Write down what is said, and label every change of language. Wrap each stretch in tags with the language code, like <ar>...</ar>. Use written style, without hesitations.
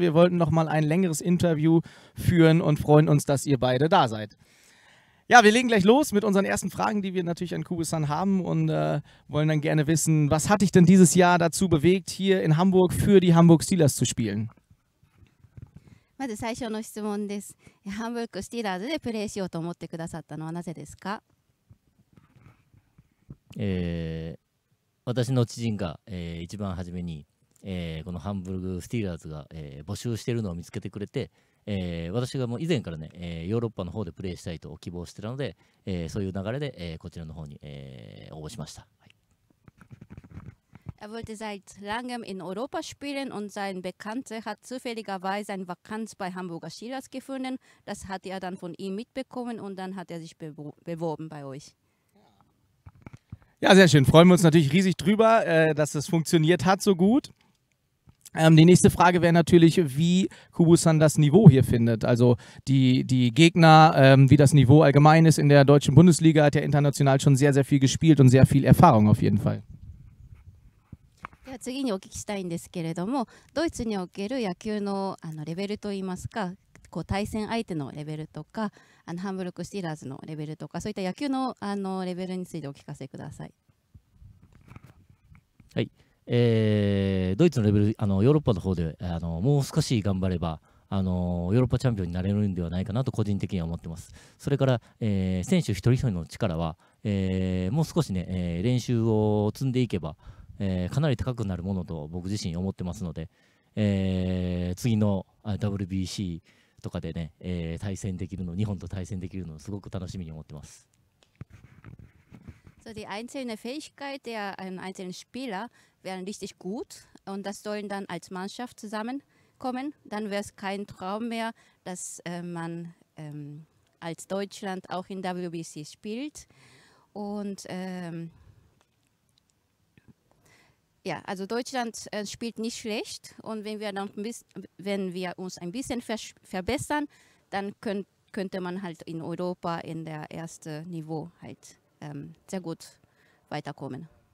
<de>Wir wollten nochmal ein längeres Interview führen und freuen uns, dass ihr beide da seid. Ja, wir legen gleich los mit unseren ersten Fragen, die wir natürlich an Kubu-san haben und wollen dann gerne wissen, was hat dich denn dieses Jahr dazu bewegt, hier in Hamburg für die Hamburg Steelers zu spielen?</de> <ja>まず最初の質問です。ハンブルクスティーラーズでプレーしようと思ってくださったのはなぜですか？私の知人が、一番初めに、このハンブルクスティーラーズが、募集しているのを見つけてくれて、私がもう以前からね、ヨーロッパの方でプレーしたいと希望してたので、そういう流れで、こちらの方に、応募しました。</ja> <de>Er wollte seit langem in Europa spielen und sein Bekannter hat zufälligerweise eine Vakanz bei Hamburger Steelers gefunden. Das hat er dann von ihm mitbekommen und dann hat er sich beworben bei euch. Ja, sehr schön. Freuen wir uns natürlich riesig drüber, dass es funktioniert hat so gut. Die nächste Frage wäre natürlich, wie Kubu-san das Niveau hier findet. Also die Gegner, wie das Niveau allgemein ist in der deutschen Bundesliga, hat er international schon sehr, sehr viel gespielt und sehr viel Erfahrung auf jeden Fall.</de> <ja>次にお聞きしたいんですけれども、ドイツにおける野球 の, あのレベルといいますか、こう対戦相手のレベルとか、あのハンブルクスティーラーズのレベルとか、そういった野球 の, あのレベルについてお聞かせください。はい、ドイツのレベル、あのヨーロッパの方であのもう少し頑張ればあの、ヨーロッパチャンピオンになれるんではないかなと個人的には思ってます。それから、選手一人一人の力は、もう少しね、練習を積んでいけば、かなり高くなるものと僕自身思ってますので、次の WBC とかでね、対戦できるの、日本と対戦できるのすごく楽しみに思ってます。</ja> <de>So, die einzelne Fähigkeit der einzelnen Spieler wären richtig gut und das sollen dann als Mannschaft zusammenkommen. Dann wäre es kein Traum mehr, dass man als Deutschland auch in WBC spielt und Ja, also Deutschland spielt nicht schlecht und wenn wir, dann wenn wir uns ein bisschen verbessern, dann könnte man halt in Europa in der ersten Niveau halt sehr gut weiterkommen.</de>